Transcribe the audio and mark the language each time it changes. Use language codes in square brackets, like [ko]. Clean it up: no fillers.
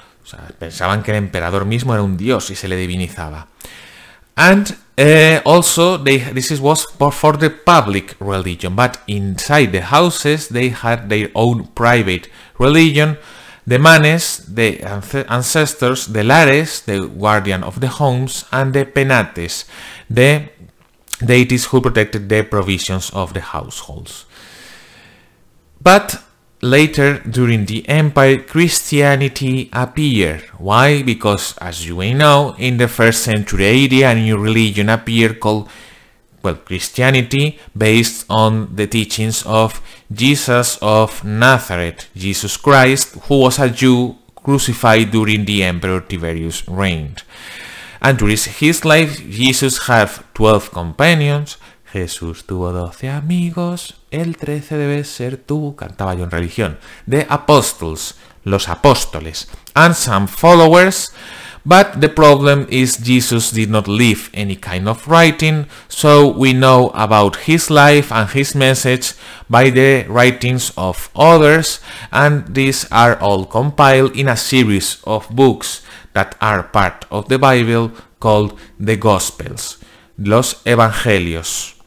[es] O sea, pensaban que el emperador mismo era un dios y se le divinizaba. [en] And also, this was for the public religion, but inside the houses they had their own private religion. The manes, the ancestors, the lares, the guardian of the homes, and the penates, the deities who protected the provisions of the households. But later, during the empire, Christianity appeared. Why? Because, as you may know, in the first century AD, a new religion appeared called, Christianity, based on the teachings of Jesus of Nazareth, Jesus Christ, who was a Jew crucified during the Emperor Tiberius' reign. And during his life, Jesus had 12 companions. [es] Jesús tuvo 12 amigos, el 13 debe ser tú, cantaba yo en religión. [en] The apostles, [es] los apóstoles, [en] and some followers, but the problem is Jesus did not leave any kind of writing, so we know about his life and his message by the writings of others, and these are all compiled in a series of books that are part of the Bible called the Gospels, [es] los Evangelios.